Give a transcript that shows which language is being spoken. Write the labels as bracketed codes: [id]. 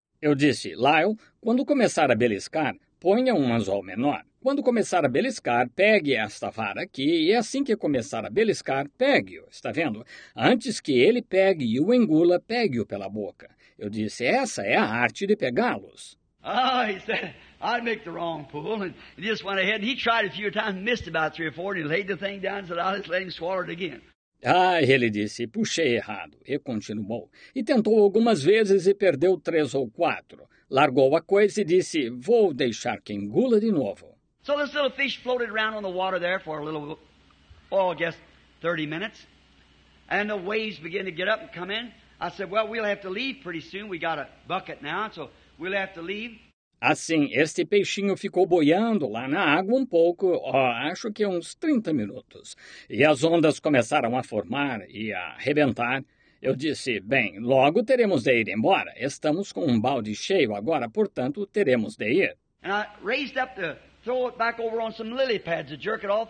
[pt] Eu disse, Lyle, quando começar a beliscar, ponha um anzol menor. Quando começar a beliscar, pegue esta vara aqui, e assim que começar a beliscar, pegue-o, está vendo? Antes que ele pegue e o engula, pegue-o pela boca. Eu disse, essa é a arte de pegá-los. [en] Ah, he said, I'd make the wrong pull, and he just went ahead, and he tried a few times, missed about three or four, and he laid the thing down, so I'll just let him swallow it again. [pt] Ah, ele disse, puxei errado, e continuou, e tentou algumas vezes e perdeu três ou quatro. Largou a coisa e disse, vou deixar que engula de novo. [en] So this little fish floated around on the water there for a little, oh, I guess, 30 minutes, and the waves began to get up and come in. I said, well, we'll have to leave pretty soon, we got a bucket now, so... We'll have to leave. [pt] Assim, este peixinho ficou boiando lá na água um pouco, acho que uns 30 minutos. E as ondas começaram a formar e a arrebentar. Eu disse, bem, logo teremos de ir embora. Estamos com um balde cheio agora, portanto, teremos de ir. [en] And I raised up to throw it back over on some lily pads to jerk it off.